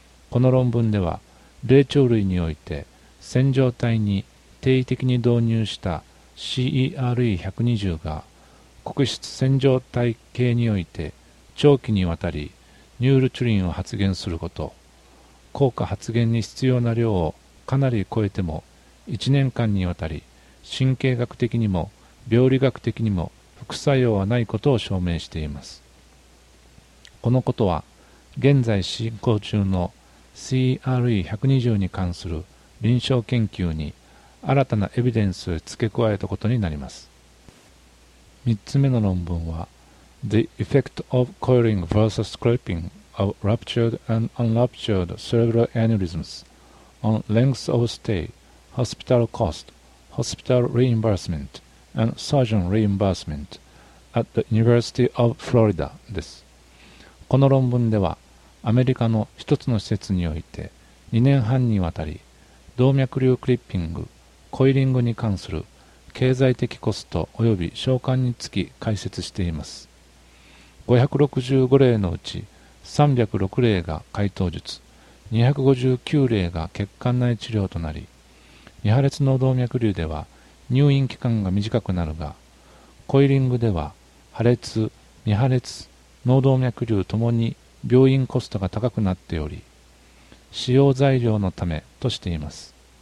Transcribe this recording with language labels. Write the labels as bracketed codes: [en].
[ja] この論文では霊長類において線状体に定位的に導入した CERE120 が黒質線状体系において長期にわたりニュールチュリンを発現すること、効果発現に必要な量をかなり超えても1年間にわたり神経学的にも病理学的にも副作用はないことを証明しています。このことは現在進行中の CERE120 に関する臨床研究に新たなエビデンスを付け加えたことになります。 3つ目の論文は [en] The effect of coiling vs. scraping of ruptured and unruptured cerebral aneurysms on length of stay, hospital cost, hospital reimbursement and surgeon reimbursement at the University of Florida [ja] です。この論文ではアメリカの一つの施設において2年半にわたり動脈瘤クリッピング、コイリングに関する経済的コスト及び償還につき解説しています。 565例のうち306例が開頭術、259例が血管内治療となり、未破裂脳動脈瘤では入院期間が短くなるが、コイリングでは破裂、未破裂、脳動脈瘤ともに病院コストが高くなっており、使用材料のためとしています。